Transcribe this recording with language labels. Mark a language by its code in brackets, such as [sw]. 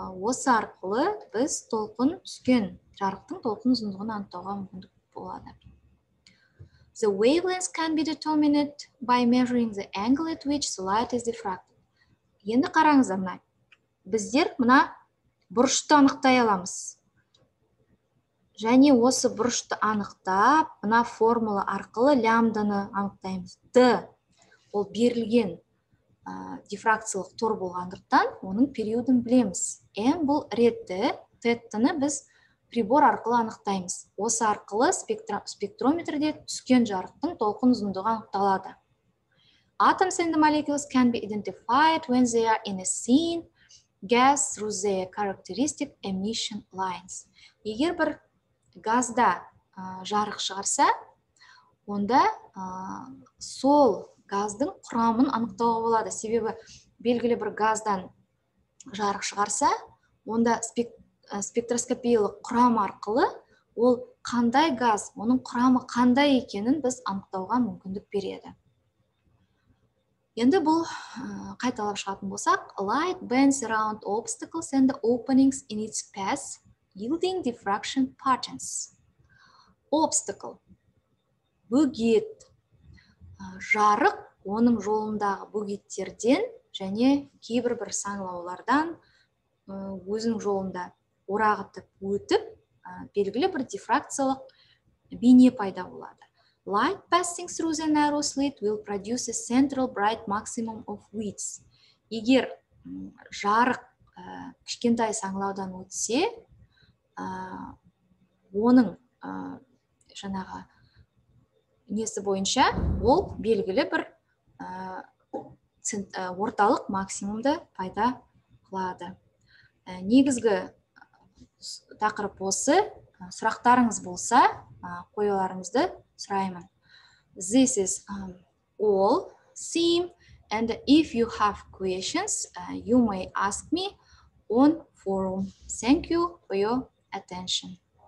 [kk] Осы арқылы біз толқын түскен, жарықтың толқын ұзындығын анықтауға мүмкіндік болады. [en] The wavelength can be determined by measuring the angle at which the light is diffracted. [kk] Енді қараңыздар, мына біздер мына бұрышты анықтай аламыз. Және осы бұрышты анықтап, мына формула арқылы лямбданы анықтаймыз. D ол берілген дифракциялық тор болғандықтан оның периодын білеміз. M бұл ретті, теттіні біз прибор арқылы анықтаймыз. Осы арқылы спектрометрде түскен жарықтың толқын ұзындығы анықталады. [en] Atoms in the molecules can be identified when they are in a seen gas through their characteristic emission lines. [kk] Егер бір газда жарық шығарса, онда сол газдың құрамын анықтауға болады. Себебі белгілі бір газдан жарық шығарса, онда спектроскопиялық құрам арқылы ол қандай газ, оның құрамы қандай екенін біз анықтауға мүмкіндік береді. Енді бұл қайталап шығатын болсақ, [en] light bends around obstacles and the openings in its path, yielding diffraction patterns. [kk] Obstacle – бөгет. Жарық оның жолындағы бөгеттерден және кейбір бір саңылаулардан өзінің жолында орағытып өтіп, белгілі бір дифракциялық бейне пайда болады. [en] Light passing through the narrow slit will produce a central bright maximum of width. [kk] Егер жарық кішкентай саңылаудан өтсе, оның жаңағы несі бойынша ол белгілі бір орталық максимумды пайда қылады. Негізгі тақырып осы, сұрақтарыңыз болса, қойларыңызды сұраймын. [en] This is all theme, and if you have questions, you may ask me on forum. Thank you for your attention.